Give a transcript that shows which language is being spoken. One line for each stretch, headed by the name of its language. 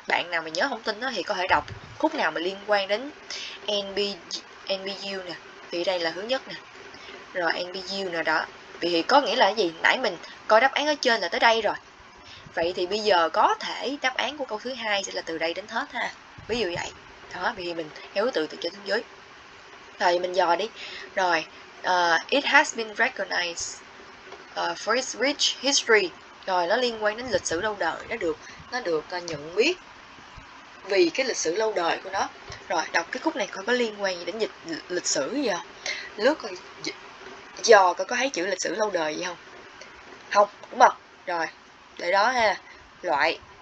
Vietnamese: Bạn nào mà nhớ không tin đó thì có thể đọc khúc nào mà liên quan đến NBU nè. Thì đây là hướng nhất nè. Rồi NBU nè đó. Vì có nghĩa là cái gì? Nãy mình coi đáp án ở trên là tới đây rồi. Vậy thì bây giờ có thể đáp án của câu thứ hai sẽ là từ đây đến hết ha. Ví dụ vậy. Đó, vì mình hiểu từ từ trên xuống dưới. Rồi mình dò đi.
English: Rồi it has been recognized for its rich history.
Vietnamese: Rồi nó liên quan đến lịch sử lâu đời, nó được nhận biết vì cái lịch sử lâu đời của nó. Rồi đọc cái khúc này coi có liên quan gì đến dịch lịch sử gì không. Lướt coi dò coi có thấy chữ lịch sử lâu đời gì không. Không, đúng không? Rồi, để đó ha. Loại.